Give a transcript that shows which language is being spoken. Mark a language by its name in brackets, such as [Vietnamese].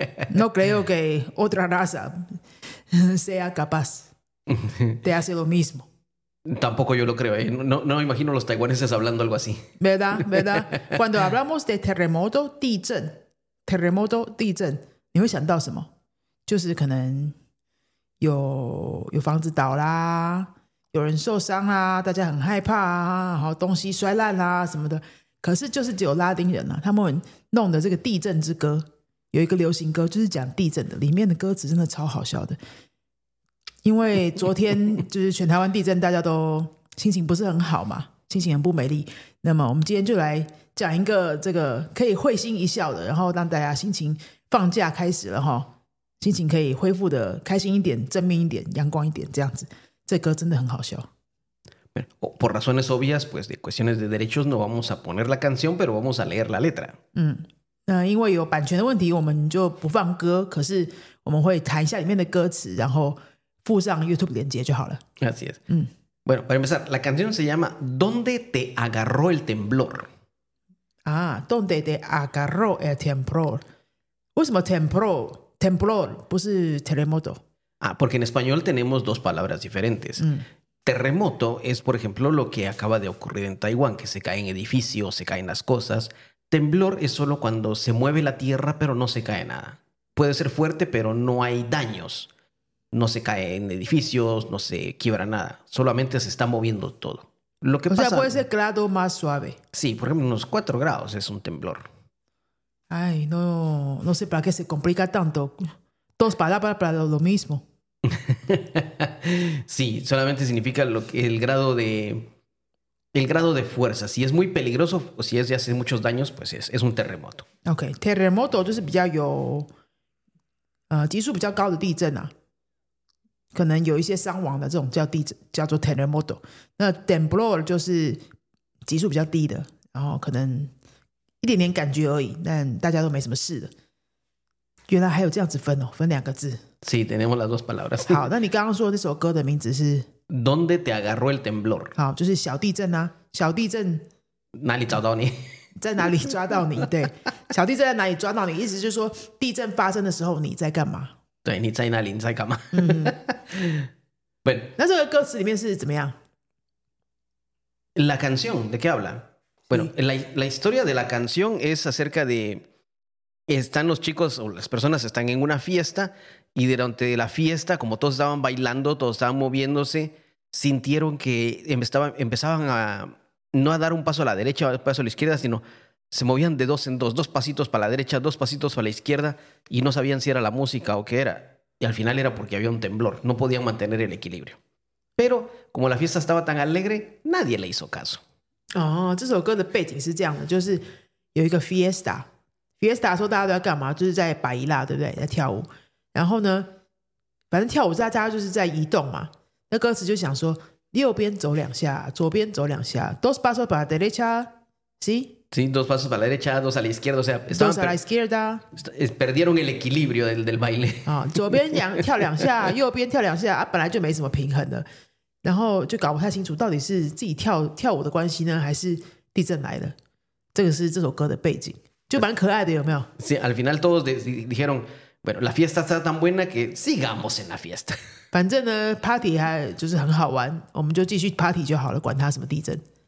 [Spanish] No creo que otra raza sea capaz de hacer lo mismo. Tampoco yo lo creo. No me imagino los taiwaneses hablando algo así. ¿Verdad? ¿Verdad? Cuando hablamos de terremoto, [Chinese] 地震, [Spanish] terremoto, [Chinese] 地震, 你会想到什么? 就是可能有房子倒啦，有人受伤啦，大家很害怕啊，然后东西摔烂啦什么的。可是就是只有拉丁人啊，他们弄的这个地震之歌，有一个流行歌就是讲地震的，里面的歌词真的超好笑的。因为昨天就是全台湾地震，大家都心情不是很好嘛，心情很不美丽。那么我们今天就来讲一个这个可以会心一笑的，然后让大家心情放假开始了哈。心情可以恢复的开心一点，正面一点，阳光一点，这样子，这歌真的很好笑。 [Spanish] Bueno, por razones obvias, pues de cuestiones de derechos no vamos a poner la canción, pero vamos a leer la letra. [Chinese] 嗯，因为有版权的问题，我们就不放歌，可是我们会弹一下里面的歌词，然后附上 YouTube 连接就好了。 [Spanish] Así es. Bueno, para empezar, la canción se llama ¿Dónde te agarró el temblor? Ah, ¿Dónde te agarró el temblor? ¿Por qué temblor? Temblor, no es terremoto. Ah, porque en español tenemos dos palabras diferentes. Terremoto es, por ejemplo, lo que acaba de ocurrir en Taiwán, que se caen edificios, se caen las cosas. Temblor es solo cuando se mueve la tierra, pero no se cae nada. Puede ser fuerte, pero no hay daños. No se cae en edificios, no se quiebra nada. Solamente se está moviendo todo. Lo que o pasa, sea, puede ser grado más suave. Sí, por ejemplo, unos 4 grados es un temblor. Ay, no, no sé para qué se complica tanto. Dos palabras para lo mismo. Sí, solamente significa lo que, el grado de fuerza. Si es muy peligroso o si es de hace muchos daños, pues es un terremoto. Ok, terremoto es más alto de 地震. [Chinese] 可能有一些伤亡的这种叫地震, 叫做 terremoto. 那 temblor 就是级数比较低的, 然后可能一点点感觉而已，但大家都没什么事的。原来还有这样子分哦，分两个字。 [Spanish] Sí, tenemos las dos palabras. [Chinese] 好，那你刚刚说的那首歌的名字是 [Spanish] ¿Dónde te agarró el temblor? [Chinese] 好，就是小地震啊，小地震哪里找到你？在哪里抓到你？对，小地震在哪里抓到你？意思就是说地震发生的时候你在干嘛？对，你在哪里？你在干嘛？Bueno, 那这个歌词里面是怎么样 [Spanish] ？La canción de qué habla? Bueno, la historia de la canción es acerca de... Están los chicos o las personas están en una fiesta y durante la fiesta, como todos estaban bailando, todos estaban moviéndose, sintieron que empezaban a... No a dar un paso a la derecha, un paso a la izquierda, sino se movían de dos en dos, dos pasitos para la derecha, dos pasitos para la izquierda y no sabían si era la música o qué era. Y al final era porque había un temblor. No podían mantener el equilibrio. Pero como la fiesta estaba tan alegre, nadie le hizo caso. [Chinese] 哦，这首歌的背景是这样的，就是有一个 fiesta 的时候大家都在干嘛，就是在摆一辣，对不对，在跳舞，然后呢反正跳舞大家就是在移动嘛，那歌词就想说右边走两下，左边走两下， [Spanish] dos pasos para la derecha， ¿sí? Sí, dos pasos para la derecha, dos a la izquierda, o sea, dos a la izquierda perdieron el equilibrio del baile、 [Chinese] 哦、左边跳两下，右边跳两下、啊、本来就没什么平衡的，然后就搞不太清楚到底是自己跳舞的关系呢，还是地震来了。这个是这首歌的背景，就蛮可爱的，有没有？ [Spanish] Sí, al final todos dijeron, bueno, la fiesta está tan buena que sigamos en la fiesta. [Chinese] 反正呢 ,party 还就是很好玩，我们就继续 party 就好了，管它什么地震。